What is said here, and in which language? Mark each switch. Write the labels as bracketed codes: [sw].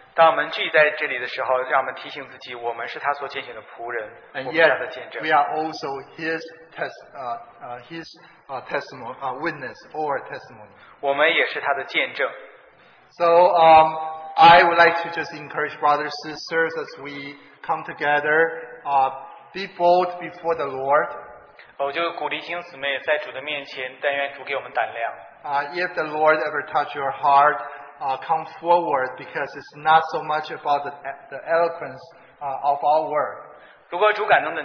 [zh] 当我们聚在这里的时候, 让我们提醒自己, 我们是他所拣选的仆人, [en] and yet, we are also His testimony, or testimony. [zh] 我们也是他的见证。 [en] So I would like to just encourage brothers and sisters as we come together, be bold before the Lord. [zh] 我就鼓励弟兄姊妹在主的面前，但愿主给我们胆量。 [en] If the Lord ever touch your heart, come forward, because it's not so much about the eloquence of our word.